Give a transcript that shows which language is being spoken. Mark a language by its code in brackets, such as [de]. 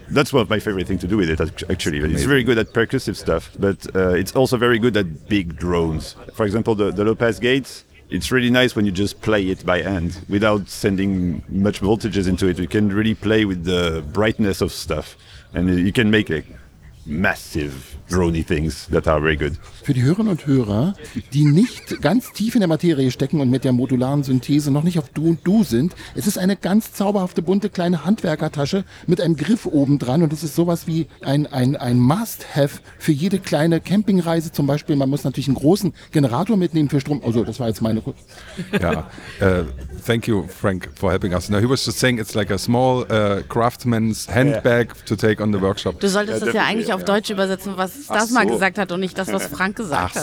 [en] That's one of my favorite things to do with it, actually. It's very good at percussive stuff, but it's also very good at big drones. For example, the low-pass gates. It's really nice when you just play it by hand without sending much voltages into it. You can really play with the brightness of stuff, and you can make it. massive drone-y things that are very good. [de] Für die Hörerinnen und Hörer, die nicht ganz tief in der Materie stecken und mit der modularen Synthese noch nicht auf Du und Du sind, es ist eine ganz zauberhafte, bunte, kleine Handwerkertasche mit einem Griff obendran und es ist sowas wie ein Must-Have für jede kleine Campingreise zum Beispiel. Man muss natürlich einen großen Generator mitnehmen für Strom. Also, das war jetzt meine Kurz. [en] Ja, thank you, Frank, for helping us. Now, he was just saying it's like a small craftsman's handbag to take on the workshop. [de] Du solltest das ja eigentlich auf Deutsch übersetzen, was das mal gesagt hat und nicht das, was Frank gesagt hat.